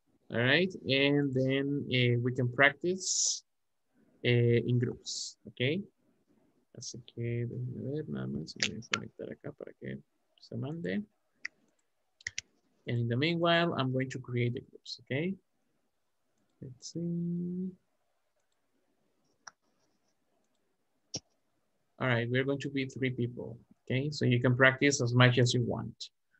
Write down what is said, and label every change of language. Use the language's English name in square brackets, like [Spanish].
[English] All right, and then we can practice in groups, okay? [Spanish] Así que déjenme ver, nada más voy a conectar acá para que se mande. [English] And in the meanwhile, I'm going to create the groups, okay? Let's see. All right, we're going to be three people, okay? So you can practice as much as you want.